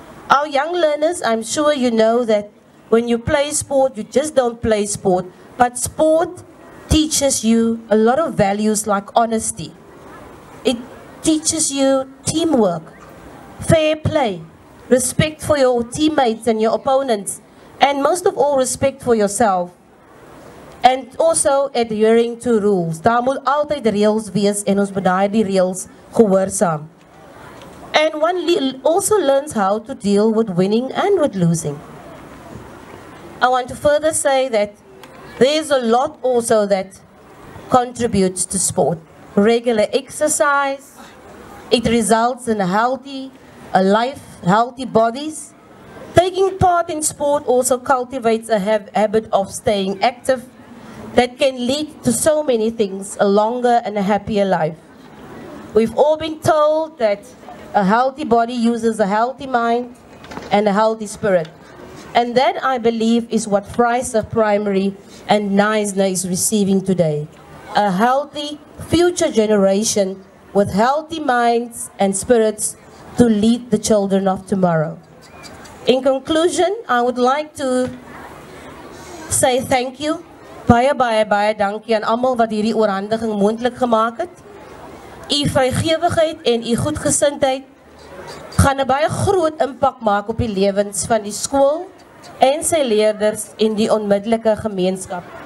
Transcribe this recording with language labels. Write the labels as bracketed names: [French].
[English] Our young learners, I'm sure you know that when you play sport, you just don't play sport, but sport teaches you a lot of values like honesty. It teaches you teamwork, fair play, respect for your teammates and your opponents, and most of all, respect for yourself. And also adhering to rules. [Afrikaans] Daar moet altyd reëls wees en ons moet daai reëls gehoorsaam. [English] And one also learns how to deal with winning and with losing. I want to further say that there's a lot also that contributes to sport. Regular exercise, it results in healthy bodies. Taking part in sport also cultivates a habit of staying active that can lead to so many things, a longer and a happier life. We've all been told that A healthy body uses a healthy mind and a healthy spirit. And that, I believe, is what Fraasig Primary and Nisner is receiving today. A healthy future generation with healthy minds and spirits to lead the children of tomorrow. In conclusion, I would like to say thank you. [Afrikaans] Baie, baie, baie dankie aan almal wat hierdie oorhandiging moontlik gemaak het. U vrygewigheid en u goedgesindheid gaan 'n baie groot impak maak op die lewens van die skool en sy leerders en die onmiddellike gemeenskap.